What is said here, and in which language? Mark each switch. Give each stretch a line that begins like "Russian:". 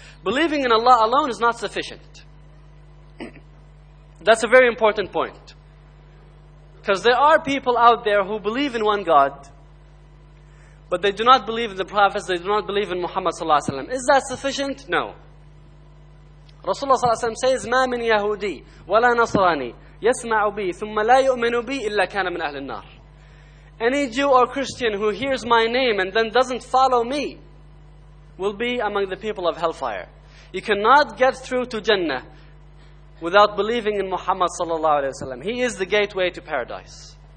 English: Believing in Allah alone is not sufficient. That's a very important point. Because there are people out there who believe in one God, but they do not believe in the prophets, they do not believe in Muhammad sallallahu alayhi wa sallam. Is that sufficient? No.
Arabic: Rasulullah sallallahu alayhi wa sallam says, مَا مِنْ يَهُودِي وَلَا نَصْرَانِي يَسْمَعُ بِي ثُمَّ لَا يُؤْمِنُ بِي إِلَّا كَانَ مِنْ أَهْلِ النَّارِ.
English: Any Jew or Christian who hears my name and then doesn't follow me will be among the people of hellfire. You cannot get through to Jannah without believing in Muhammad sallallahu alayhi wa sallam. He is the gateway to paradise.